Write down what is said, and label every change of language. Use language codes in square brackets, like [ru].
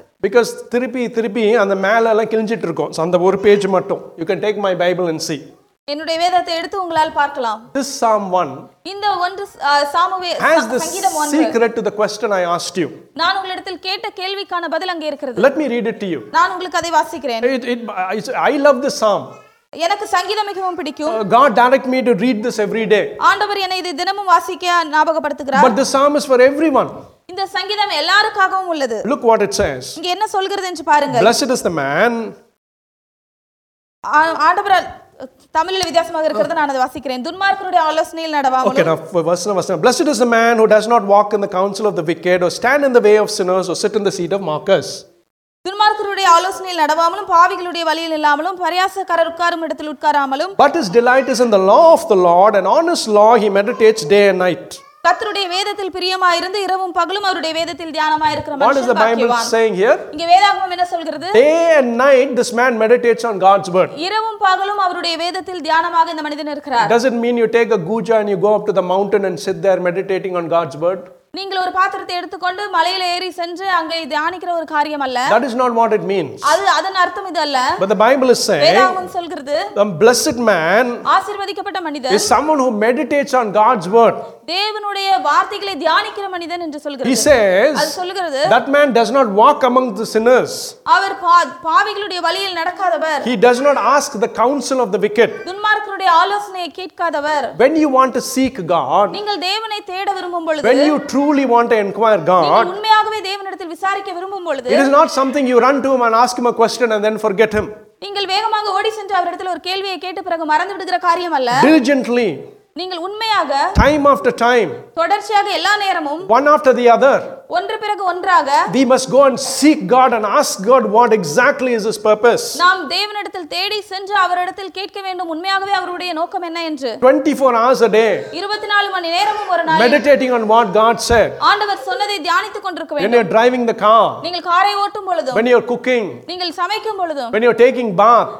[en] Because [ta] திருப்பி அந்த மேலே எல்லாம் கிழிஞ்சிட்டு இருக்கும் அந்த ஒரு பேஜ் மட்டும் [en] You can take my Bible and see. [ta] என்னுடைய வேதத்தை எடுத்து உங்களால் பார்க்கலாம். [en] This Psalm 1 [ta] இந்த ஒன்று சாமுவே [en] has the secret to the question I asked you. [ta] நான் உங்களிடத்தில் கேட்ட கேள்விக்கான பதில் அங்கே இருக்கிறது. [en] Let me read it to you. [ta] நான் உங்களுக்கு அதை வாசிக்கிறேன். [en] I love this Psalm. [ta] எனக்கு சங்கீதம் மிகவும் பிடிக்கும். [en] God direct me to read this every day. [ta] ஆண்டவர் என்னை இதை தினமும் வாசிக்க ஞாபகப்படுத்துகிறார். [en] But the Psalm is for everyone. [ta] இந்த சங்கீதம் எல்லாருக்காகவும் உள்ளது. [en] Look what it says. [ta] இங்க என்ன சொல்கிறது என்று பாருங்க. [en] Blessed is the man. [ta] ஆண்டவரால் தமிழில் வித்தியாசமாக இருக்கிறது நான் அதை வாசிக்கிறேன் துன்மார்க்கருடைய ஆலோசனையில் நடவாமல் [en] Okay, now, verse. Blessed is the man who does not walk in the counsel of the wicked or stand in the way of sinners or sit in the seat of mockers. [ta] துன்மார்க்கருடைய ஆலோசனையில் நடவாமலும் பாவிகளுடைய வழியில் இல்லாமலும் பரியாசக்காரர் உட்காரும் இடத்தில் உட்காராமலும் [en] But his delight is in the law of the Lord and on his law he meditates day and night. [ta] கர்த்தருடைய வேதத்தில் பிரியமாயிருந்து இரவும் பகலும் அவருடைய வேதத்தில் தியானமாய் இருக்கிற மனுஷன் பாக்கியவான். [en] What is the Bible saying here? [ta] இங்க வேதாகமம் என்ன சொல்கிறது? [en] Day and night this man meditates on God's word. [ta] இரவும் பகலும் அவருடைய வேதத்தில் தியானமாக இந்த மனிதன் இருக்கிறார். [en] Does it mean you take a guja and you go up to the mountain and sit there meditating on God's word? [ta] நீங்கள் ஒரு பாத்திரத்தை எடுத்துக்கொண்டு மலையில ஏறி சென்று அங்கே தியானிக்கிற ஒரு காரியம் அல்ல. [en] That is not what it means. [ta] அது அதன் அர்த்தம் இது அல்ல. [en] But the Bible is saying [ta] வேதாகமம் சொல்கிறது [en] the blessed man [ta] ஆசீர்வதிக்கப்பட்ட மனிதன் [en] is someone who meditates on God's word. [ta] தேவனுடைய வார்த்தைகளை தியானிக்கிற மனிதன் என்று சொல்கிறது. [en] He says [ta] அது சொல்கிறது [en] that man does not walk among the sinners. [ta] அவர் பாவிகளுடைய வழியில் நடக்காதவர். [en] He does not ask the counsel of the wicked. [ta] துன்மார்க்கருடைய ஆலோசனையை கேட்காதவர். [en] When you want to seek God [ta] நீங்கள் தேவனை தேட விரும்பும் பொழுது [en] when you truly want to inquire God [ta] நீங்கள் உண்மையாகவே தேவனிடத்தில் விசாரிக்க விரும்பும் பொழுது [en] it is not something you run to him and ask him a question and then forget him. [ta] நீங்கள் வேகமாக ஓடி சென்று அவரிடத்தில் ஒரு கேள்வியை கேட்டு பிறகு மறந்து விடுகிற காரியம் அல்ல. [en] Diligently [ta] நீங்கள் உண்மையாக [en] time after time [ta] தொடர்ச்சியாக எல்லா நேரமும் [en] one after the other [ta] ஒன்று பிறகு ஒன்றாக [en] we must go and seek God and ask God what exactly is his purpose. [ta] நாம் தேவனிடத்தில் தேடி சென்று அவரிடத்தில் கேட்க வேண்டும் உண்மையாகவே அவருடைய நோக்கம் என்ன என்று [en] 24 hours a day [ta] 24 மணி நேரமும் ஒரு நாளை [en] meditating on what God said [ta] ஆண்டவர் சொன்னதை தியானித்துக் கொண்டிருக்க வேண்டும். [en] When you are driving the car [ta] நீங்கள் காரை ஓட்டும் பொழுது [en] when you are cooking [ta] நீங்கள் சமைக்கும் பொழுது [en] when you are taking bath